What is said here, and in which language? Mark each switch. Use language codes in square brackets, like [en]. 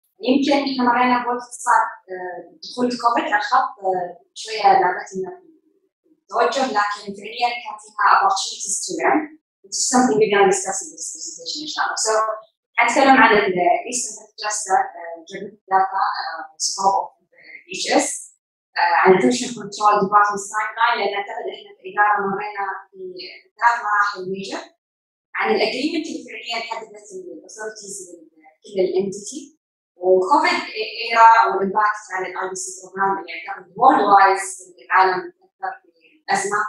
[ar] يمكن احنا مرينا بوقت صعب دخول الكوفيد اخذ شويه لعبتنا في التوجه، لكن فعليا كان فيها [en] opportunities to learn. It's something we're going to discuss in this presentation, inshallah. [ar] So, حنتكلم عن الـ [en] Eastern Pacific Cluster Geographic Data Scope of EHS، [ar] عن [en] Tension Control Department Timeline، [ar] لأن أعتقد إحنا في الإدارة مرينا في ثلاث مراحل ميجر، عن الـ Agreement اللي فعليا حددت الـ Authorities لكل الـ Entity، وكوفيد إيرا والإمباكت على الـ IBC Program اللي أعتقد Worldwide في العالم أثر في الـ أزمة.